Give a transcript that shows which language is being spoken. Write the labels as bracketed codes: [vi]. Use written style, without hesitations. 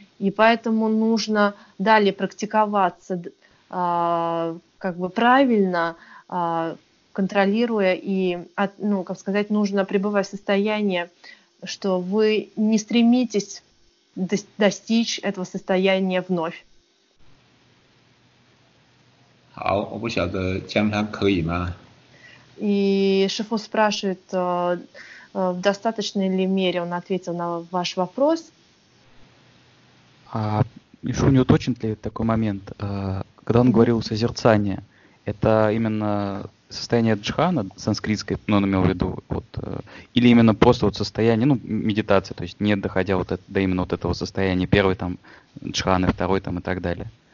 [ru] И поэтому нужно далее практиковаться как бы правильно, контролируя и, как сказать, нужно пребывать в состоянии, что вы не стремитесь достичь этого состояния вновь. [zh] 好，我不晓得姜汤可以吗？ [ru] И Шифу спрашивает, в достаточной ли мере он ответил на ваш вопрос. А Шифу не уточнит ли такой момент, когда он говорил созерцание, это именно состояние джхана, санскритское, но он имел в виду, или именно просто вот состояние, медитации, то есть не доходя до именно вот этого состояния, первый там джханы, второй там и так далее.